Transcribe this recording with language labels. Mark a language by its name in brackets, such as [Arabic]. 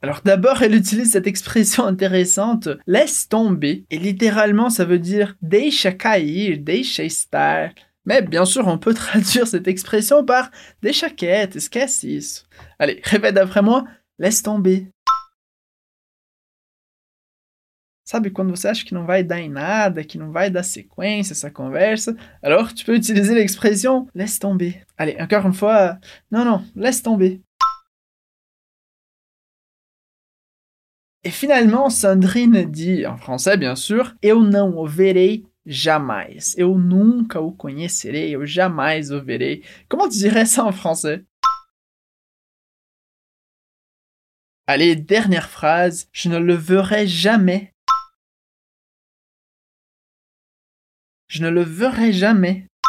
[French] Alors d'abord, elle utilise cette expression intéressante, laisse tomber. Et littéralement, ça veut dire, [Portuguese] deixa cair, deixa estar. [French] Mais bien sûr, on peut traduire cette expression par, [Portuguese] deixa quieto, esquece isso. [French] Allez, répète après moi, laisse tomber. [Portuguese] Sabe quando você acha que não vai dar em nada, que não vai dar sequência essa conversa? [French] Alors, tu peux utiliser l'expression laisse tomber. Allez, encore une fois, non, laisse tomber. Et finalement, Sandrine dit, en français bien sûr, [Portuguese] eu não o verei jamais. Eu nunca o conhecerei, eu jamais o verei. [French] Comment tu dirais ça en français? Allez, dernière phrase, je ne le verrai jamais. Je ne le verrai jamais.